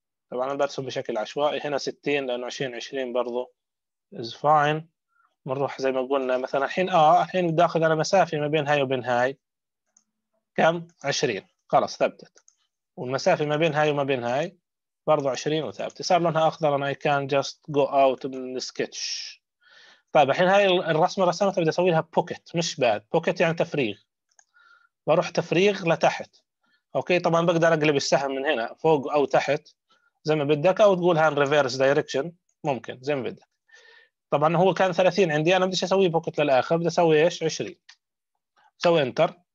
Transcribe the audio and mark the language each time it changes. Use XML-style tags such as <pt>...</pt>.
<ar>طبعا انا برسم بشكل عشوائي هنا 60 لانه 20 20 برضه</ar> <en>is fine.</en> <ar>بنروح زي ما قلنا مثلا الحين الحين بدي اخذ انا مسافه ما بين هاي وبين هاي كم 20، خلاص ثبتت. والمسافه ما بين هاي وما بين هاي برضه 20 وثابته، صار لونها اخضر.</ar> <en>انا I can just go out</en> <ar>من السكتش. طيب الحين هاي الرسمه رسمتها بدي اسوي لها بوكيت مش باد، بوكيت يعني تفريغ. بروح تفريغ لتحت اوكي، طبعا بقدر اقلب السهم من هنا فوق او تحت زي ما بدك، او تقول هان ريفرس دايركشن ممكن زي ما بدك. طبعا هو كان 30 عندي، انا بديش اسوي بوكيت للاخر، بدي اسوي ايش 20، سوي انتر.</ar>